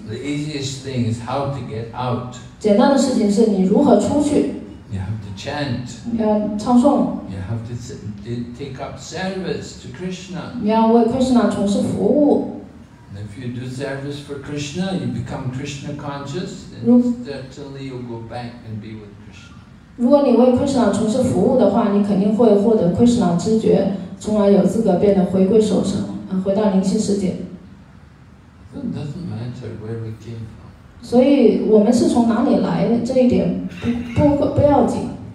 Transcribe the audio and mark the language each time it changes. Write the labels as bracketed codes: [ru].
[en] The easiest thing is how to get out. [zh] 简单的事情是你如何出去。 [en] Chant. [zh] 你要唱诵, [en] you have to take up service to Krishna. [zh] 你要为Krishna从事服务。 [en] If you do service for Krishna, you become Krishna conscious, and certainly you'll go back and be with Krishna. [zh] 如果你为Krishna从事服务的话, 你肯定会获得Krishna知觉, 从而有资格变得回归守成，回到灵性世界。 [en] So it doesn't matter where we came from. [zh] 所以我们是从哪里来, 这一点不要紧。